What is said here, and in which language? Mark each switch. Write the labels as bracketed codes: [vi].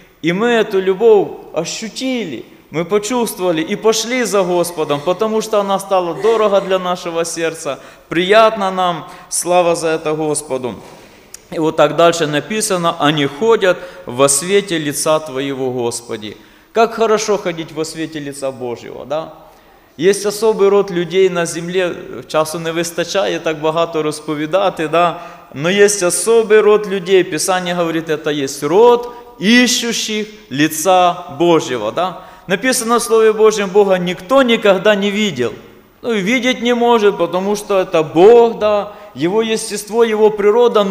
[ru] И мы эту любовь ощутили, мы почувствовали и пошли за Господом, потому что она стала дорога для нашего сердца. Приятно нам, слава за это Господу. И вот так дальше написано: «Они ходят во свете лица Твоего, Господи». Как хорошо ходить во свете лица Божьего, да? Есть особый род людей на земле, [uk] часу не вистачає так багато розповідати, [ru] да? Но есть особый род людей, Писание говорит, это есть род ищущих лица Божьего, да? Написано в Слове Божьем: Бога никто никогда не видел. Ну, видеть не может, потому что это Бог, да, Его естество, Его природа.